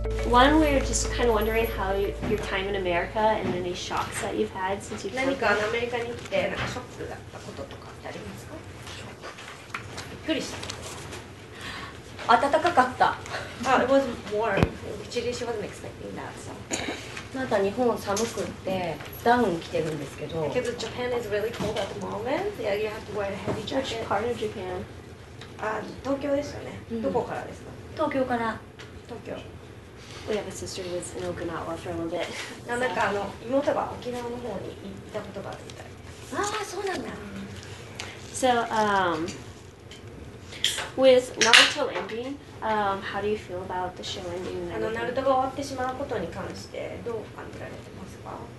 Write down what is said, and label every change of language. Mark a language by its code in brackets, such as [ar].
[en] One, we were just kind of wondering how your time in America and any shocks that you've had since you've come. [ja] 何かアメリカに来てなんかショックだったこととかってありますか？びっくりした。暖かかった。 [en] It was warm. Actually, she wasn't expecting that. So. [ja] まだ日本寒くってダウン着てるんですけど。 [en] Because Japan is really cold at the moment. Yeah, you have to wear a heavy jacket. Which part of Japan? [ja] 東京ですよね。どこからですか？東京から。東京。 [en] We have a sister who was in Okinawa for a little bit. [ja] なんか妹が沖縄の方に行ったことがあるみたい。ああ、そうなんだ。 [en] So, with Naruto ending, how do you feel about the show ending? [ja] あの、ナルトが終わってしまうことに関してどう感じられてますか？